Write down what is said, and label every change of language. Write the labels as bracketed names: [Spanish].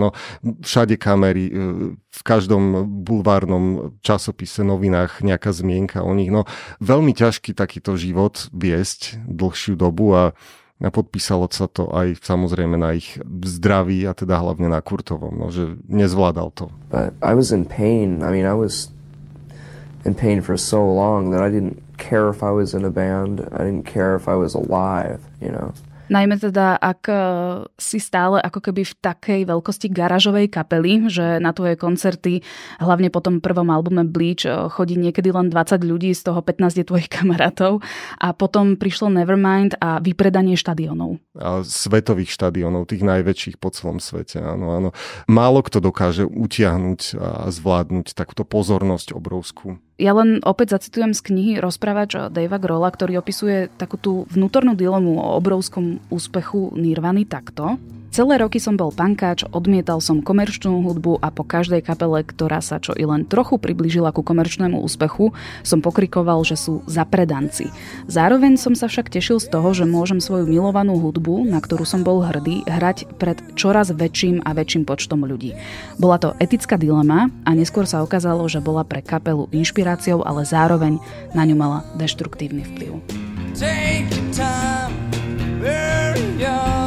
[Slovak] No, všade kamery, v každom bulvárnom časopise, novinách nejaká zmienka o nich. No, veľmi ťažký takýto život viesť dlhšiu dobu a podpísalo sa to aj samozrejme na ich zdraví a teda hlavne na Kurtovom, no, že nezvládal to. [English] But I was in pain. I mean, I was in pain for so long that I didn't care if I was in a band. I didn't care if I was alive, you know. [Slovak] Najmä teda, ak si stále ako keby v takej veľkosti garážovej kapely, že na tvoje koncerty, hlavne po tom prvom albume Bleach, chodí niekedy len 20 ľudí, z toho 15 je tvojich kamarátov. A potom prišlo Nevermind a vypredanie štadiónov. A svetových štadiónov, tých najväčších po celom svete, áno, áno. Málo kto dokáže utiahnuť a zvládnuť takúto pozornosť obrovskú. Ja len opäť zacitujem z knihy Rozprávač Davea Grohla, ktorý opisuje takú tú vnútornú dilemu o obrovskom úspechu Nirvany takto. Celé roky som bol pankáč, odmietal som komerčnú hudbu a po každej kapele, ktorá sa čo i len trochu priblížila ku komerčnému úspechu, som pokrikoval, že sú zapredanci. Zároveň som sa však tešil z toho, že môžem svoju milovanú hudbu, na ktorú som bol hrdý, hrať pred čoraz väčším a väčším počtom ľudí. Bola to etická dilema a neskôr sa ukázalo, že bola pre kapelu inšpiráciou, ale zároveň na ňu mala deštruktívny vplyv. [English] Take your time, where you're...